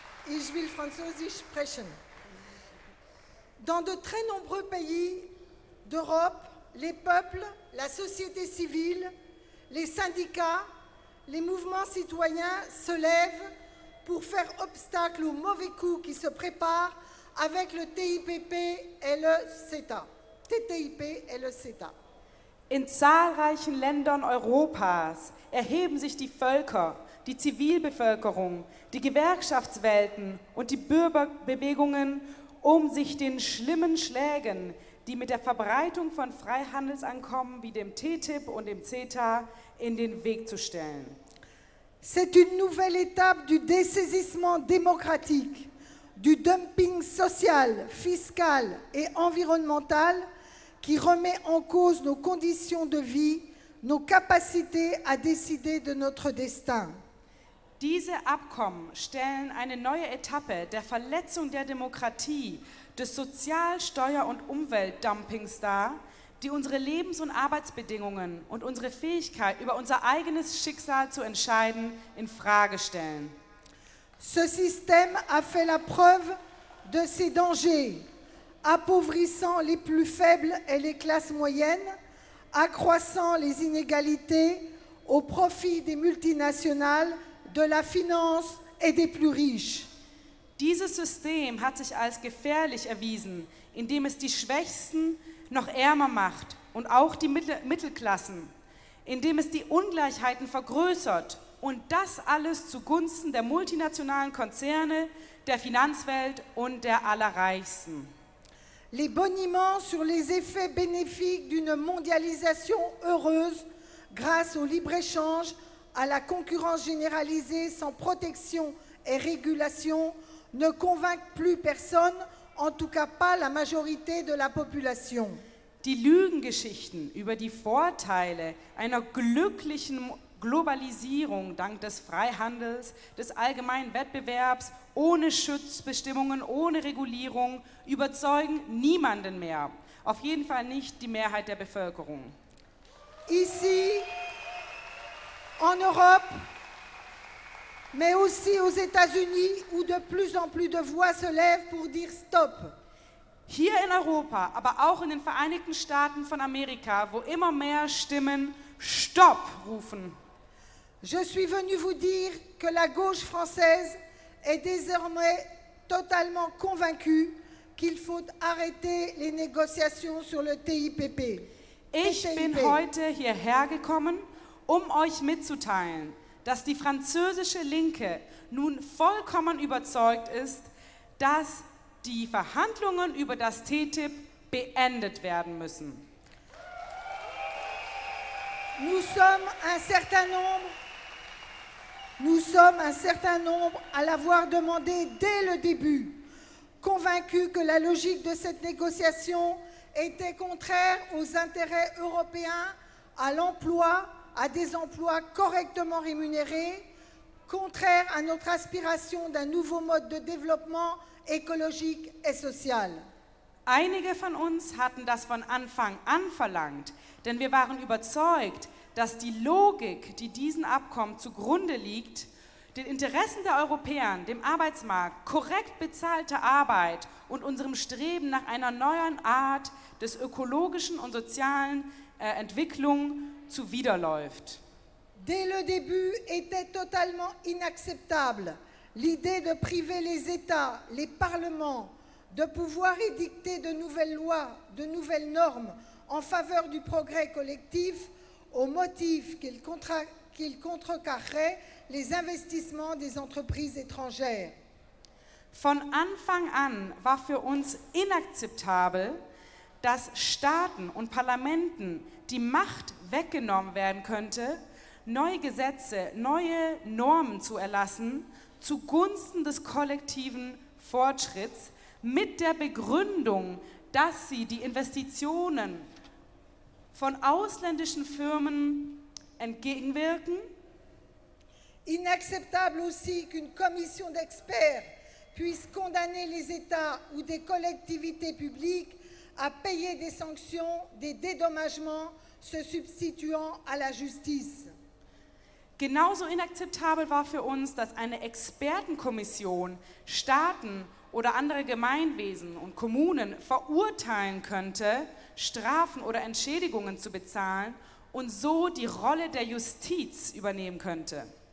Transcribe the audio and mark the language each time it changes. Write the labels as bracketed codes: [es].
[de] Ich will Französisch sprechen. [fr] Dans de très nombreux pays d'Europe, les peuples, la société civile, les syndicats, les mouvements citoyens se lèvent pour faire obstacle aux mauvais coups qui se préparent avec le TIPP et le CETA. TTIP et le CETA. [de] In zahlreichen Ländern Europas erheben sich die Völker, die Zivilbevölkerung, die Gewerkschaftswelten und die Bürgerbewegungen, um sich den schlimmen Schlägen, die mit der Verbreitung von Freihandelsankommen wie dem TTIP und dem CETA in den Weg zu stellen. [fr] C'est une nouvelle étape du dessaisissement démocratique, du dumping social, fiscal et environnemental qui remet en cause nos conditions de vie, nos capacités à décider de notre destin. [de] Diese Abkommen stellen eine neue Etappe der Verletzung der Demokratie, des Sozial-, Steuer- und Umweltdumpings dar, die unsere Lebens- und Arbeitsbedingungen und unsere Fähigkeit, über unser eigenes Schicksal zu entscheiden, in Frage stellen. [fr] Ce système a fait la preuve de ses dangers, appauvrissant les plus faibles et les classes moyennes, accroissant les inégalités au profit des multinationales, de la finance et des plus riches. [de] Dieses System hat sich als gefährlich erwiesen, indem es die Schwächsten noch ärmer macht und auch die Mittelklassen, indem es die Ungleichheiten vergrößert und das alles zugunsten der multinationalen Konzerne, der Finanzwelt und der Allerreichsten. [fr] Les boniments sur les effets bénéfiques d'une mondialisation heureuse grâce au libre-échange à la concurrence généralisée sans protection et régulation ne convainquent plus personne, en tout cas pas la majorité de la population. [de] Die Lügengeschichten über die Vorteile einer glücklichen Globalisierung dank des Freihandels, des allgemeinen Wettbewerbs, ohne Schutzbestimmungen, ohne Regulierung, überzeugen niemanden mehr. Auf jeden Fall nicht die Mehrheit der Bevölkerung. [fr] Ici, en Europe, mais aussi aux États-Unis, où de plus en plus de voix se lèvent pour dire stop. [de] Hier in Europa, aber auch in den Vereinigten Staaten von Amerika, wo immer mehr Stimmen stop rufen. [fr] Je suis venu vous dire que la gauche française est désormais totalement convaincue qu'il faut arrêter les négociations sur le TIPP. [de] Ich bin heute hierher gekommen, um euch mitzuteilen, dass die französische Linke nun vollkommen überzeugt ist, dass die Verhandlungen über das TTIP beendet werden müssen. [fr] Nous sommes un certain nombre, nous sommes un certain nombre à l'avoir demandé dès le début, convaincus que la logique de cette négociation était contraire aux intérêts européens, à l'emploi, à des emplois correctement rémunérés, contraire à notre aspiration d'un nouveau mode de développement écologique et social. [de] Einige von uns hatten das von Anfang an verlangt, denn wir waren überzeugt, dass die Logik, die diesen Abkommen zugrunde liegt, den Interessen der Europäer, dem Arbeitsmarkt, korrekt bezahlte Arbeit und unserem Streben nach einer neuen Art des ökologischen und sozialen Entwicklung zuwiderläuft. [fr] Dès le début était totalement inacceptable l'idée de priver les États, les parlements, de pouvoir édicter de nouvelles lois, de nouvelles normes en faveur du progrès collectif au motif qu'ils contrecarreraient les investissements des entreprises étrangères. [de] Von Anfang an war für uns inakzeptabel, dass Staaten und Parlamenten die Macht weggenommen werden könnte, neue Gesetze, neue Normen zu erlassen, zugunsten des kollektiven Fortschritts, mit der Begründung, dass sie die Investitionen von ausländischen Firmen entgegenwirken. [fr] Inacceptable aussi qu'une commission d'experts puisse condamner les États ou des collectivités publiques à payer des sanctions, des dédommagements se substituant à la justice. [de] Genauso inakzeptabel war für uns, dass eine Expertenkommission Staaten oder andere Gemeinwesen und Kommunen verurteilen könnte, Strafen oder Entschädigungen zu bezahlen und so die Rolle der Justiz übernehmen könnte.